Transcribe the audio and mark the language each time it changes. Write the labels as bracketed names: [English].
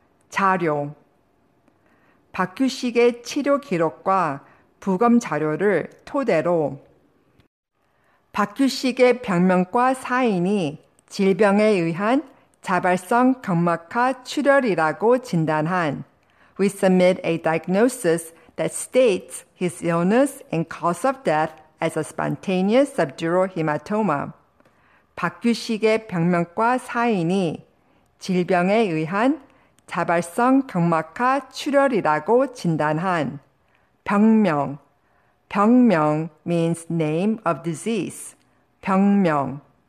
[Korean] 자료 박규식의 치료 기록과 부검 자료를 토대로 박규식의 병명과 사인이 질병에 의한 자발성 경막하 출혈이라고 진단한 [English] We submit a diagnosis that states his illness and cause of death as a spontaneous subdural hematoma. [Korean] 박규식의 병명과 사인이 질병에 의한 자발성 경막하 출혈이라고 진단한 [English] 병명 병명 means name of disease. [Korean] 병명.